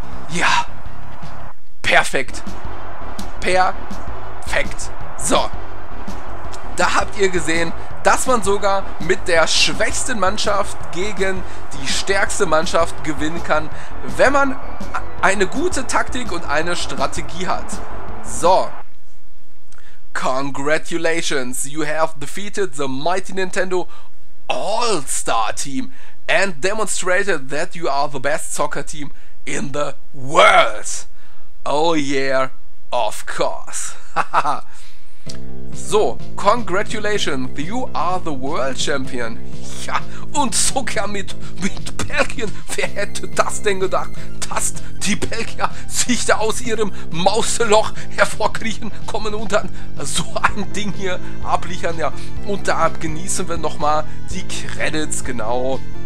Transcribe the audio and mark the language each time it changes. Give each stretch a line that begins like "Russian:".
German: Ja. Perfekt. Perfekt. So. Da habt ihr gesehen, dass man sogar mit der schwächsten Mannschaft gegen die stärkste Mannschaft gewinnen kann, wenn man eine gute Taktik und eine Strategie hat. So.
English: Congratulations, you have defeated the mighty Nintendo All-Star Team and demonstrated that you are the best soccer team in the world. Oh yeah, of course. So, congratulations, you are the world champion.
German: Ja, und sogar mit Belgien. Wer hätte das denn gedacht, dass die Belgier sich da aus ihrem Mauseloch hervorkriechen kommen und dann so ein Ding hier abliefern, ja. Und da genießen wir nochmal die Credits, genau.